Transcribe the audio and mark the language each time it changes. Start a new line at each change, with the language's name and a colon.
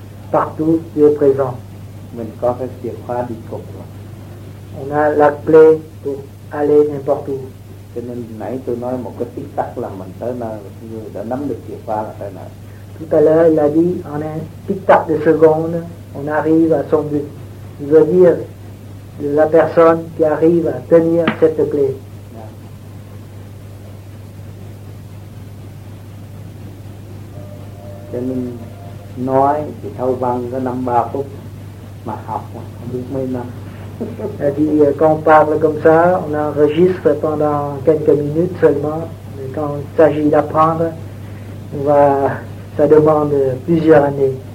French: Partout, tu es présent. On a la clé pour aller n'importe où.
Vietnamese: Cho nên nãy tôi nói một cái tích tắc là mình tới nơi, người đã nắm được chìa khóa là tới nơi.
French: Tout à l'heure, il a dit, en un tic tac de seconde, on arrive à son but. Il veut dire, de la personne qui arrive à tenir cette clé.
Vietnamese: Cho nên, nói thì thâu văn có 5-3 phút, mà học không biết mấy năm.
French: Elle dit, quand on parle comme ça, on enregistre pendant quelques minutes seulement, mais quand il s'agit d'apprendre, on va, ça demande plusieurs années.